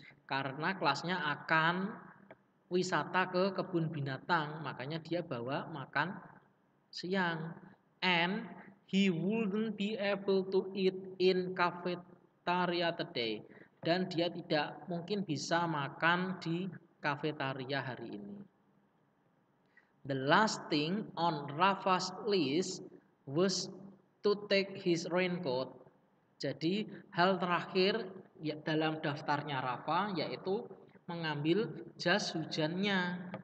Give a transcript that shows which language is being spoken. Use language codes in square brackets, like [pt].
[id] Karena kelasnya akan wisata ke kebun binatang, makanya dia bawa makan siang. [en] And he wouldn't be able to eat in cafeteria today. [id] Dan dia tidak mungkin bisa makan di cafeteria hari ini. [en] The last thing on Rafa's list was to take his raincoat. [id] Jadi hal terakhir dalam daftarnya Rafa yaitu mengambil jas hujannya.